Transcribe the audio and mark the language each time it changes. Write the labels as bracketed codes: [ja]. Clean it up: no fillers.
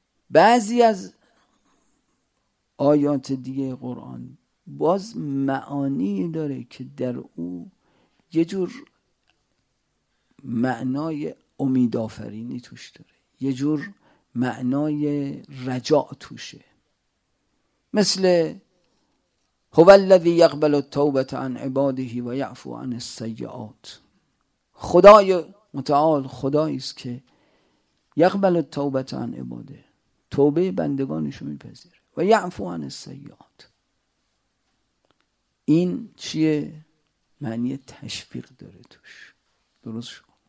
[fa] بعضی از آیات دیگه قرآن باز معانی داره که در او یه جور معنای امیدآفرینی توش داره، یه جور معنای رجاء توشه. [ar] مثل هو الذي يقبل التوبه عن عباده ويعفو عن السيئات. [fa] خدای متعال خدایی است که [ar] يقبل التوبه عن عباده، [fa] توبه بندگانش رو میپذیره. و [ar] يعفو عن السيئات، [fa] این چیه؟ معنی تشویق داره توش، درست شو.